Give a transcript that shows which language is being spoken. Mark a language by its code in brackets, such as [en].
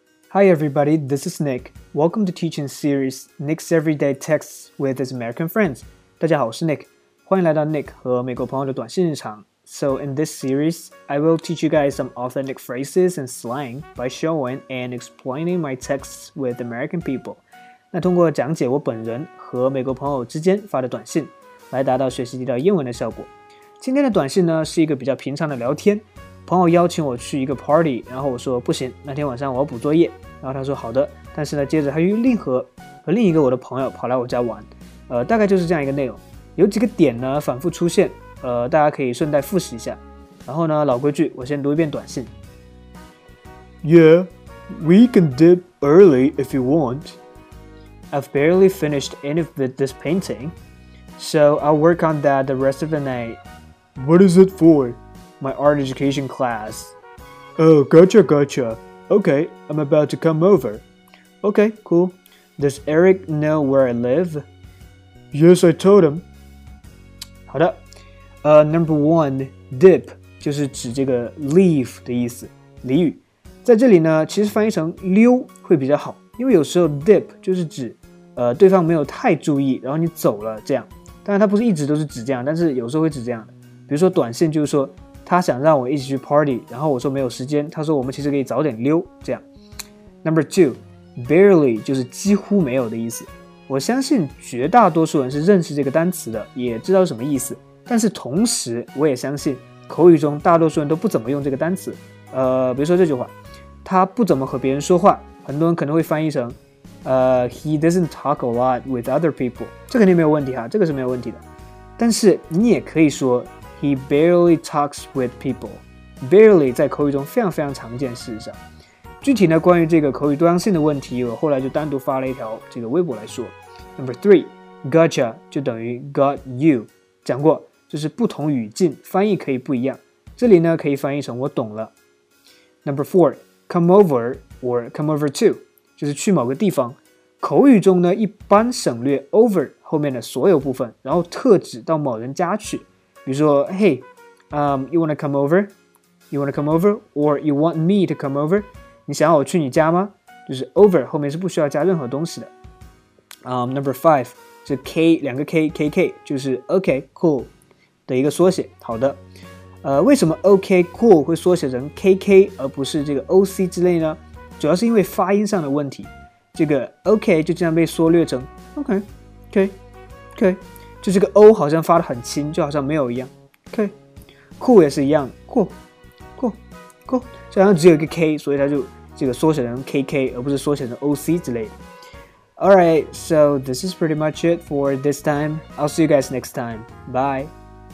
[en] Hi everybody, this is Nick. Welcome to teaching series Nick's Everyday Texts with his American friends. [zh] 大家好，我是 Nick， 欢迎来到 Nick 和美国朋友的短信日常。 [en] So in this series, I will teach you guys some authentic phrases and slang by showing and explaining my texts with American people. [zh] 那通过讲解我本人和美国朋友之间发的短信，来达到学习地道英文的效果。今天的短信呢，是一个比较平常的聊天。朋友邀请我去一个 party， 然后我说不行，那天晚上我要补作业。然后他说好的，但是呢，接着他又和另一个我的朋友跑来我家玩，大概就是这样一个内容。有几个点呢反复出现，大家可以顺带复习一下。然后呢，老规矩，我先读一遍短信。 [en] Yeah, we can dip early if you want. I've barely finished any of this painting, so I'll work on that the rest of the night. What is it for? My art education class. Oh, gotcha. Okay, I'm about to come over. Okay, cool. Does Eric know where I live? Yes, I told him. [zh] 好的。 [en] Number one, [zh] dip 就是指这个 leave 的意思，俚语。在这里呢，其实翻译成溜会比较好，因为有时候 dip 就是指对方没有太注意，然后你走了这样。当然它不是一直都是指这样，但是有时候会指这样。比如说短信就是说他想让我一起去 party， 然后我说没有时间，他说我们其实可以早点溜，这样。 [en] Number two, [zh] barely 就是几乎没有的意思。我相信绝大多数人是认识这个单词的，也知道什么意思。但是同时，我也相信口语中大多数人都不怎么用这个单词。比如说这句话，他不怎么和别人说话，很多人可能会翻译成， [en] he doesn't talk a lot with other people。 [zh] 这肯定没有问题哈，这个是没有问题的。但是你也可以说。 [en] He barely talks with people. [zh] Barely 在口语中非常非常常见。事实上，具体呢，关于这个口语多样性的问题，我后来就单独发了一条这个微博来说。 [en] Number three, gotcha [zh] 就等于 [en] got you. [zh] 讲过，就是不同语境翻译可以不一样。这里呢，可以翻译成我懂了。 [en] Number four, come over or come over to [zh] 就是去某个地方。口语中呢，一般省略 over 后面的所有部分，然后特指到某人家去。比如说 [en] Hey, you wanna come over? You wanna come over? Or you want me to come over? [zh] 你想要我去你家吗？就是 over 后面是不需要加任何东西的。 [en] Number five [zh] 是 K 两个 KKK 就是 OK cool 的一个缩写。好的，为什么 OK cool 会缩写成 KK 而不是这个 OC 之类呢？主要是因为发音上的问题。这个 OK 就经常被缩略成 OK K K。就这个 O 好像发得很轻，就好像没有一样。OK， cool 也是一样 ，cool， 就好像只有一个 K， 所以它就这个缩写成 KK， 而不是缩写成 OC 之类的。 [en] All right, so this is pretty much it for this time. I'll see you guys next time. Bye.